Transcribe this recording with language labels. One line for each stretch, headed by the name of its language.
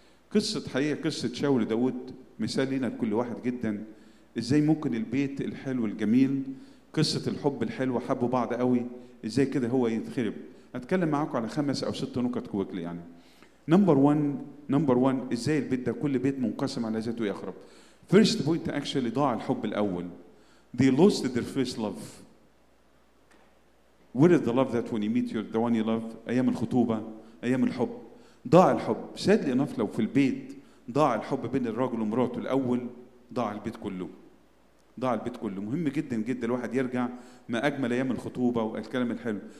Arabic: قصة حقيقة قصة شاول داود مثال لنا لكل واحد جدا، إزاي ممكن البيت الحلو الجميل قصة الحب الحلو حبوا بعض قوي إزاي كده هو يتخرب. أتكلم معاكم على 5 أو 6 نقط كويكلي. يعني
English: number one
Arabic: إزاي البيت ده كل بيت منقسم على ذاته يخرب.
English: First point actually
Arabic: ضاع الحب الأول.
English: They lost their first love. Where is the love that when you meet your, the one you love?
Arabic: أيام الخطوبة، أيام الحب. ضاع الحب.
English: Sadly enough
Arabic: لو في البيت ضاع الحب بين الرجل ومراته الأول ضاع البيت كله. ضاع البيت كله. مهم جدا جدا الواحد يرجع ما أجمل أيام الخطوبة والكلام الحلو.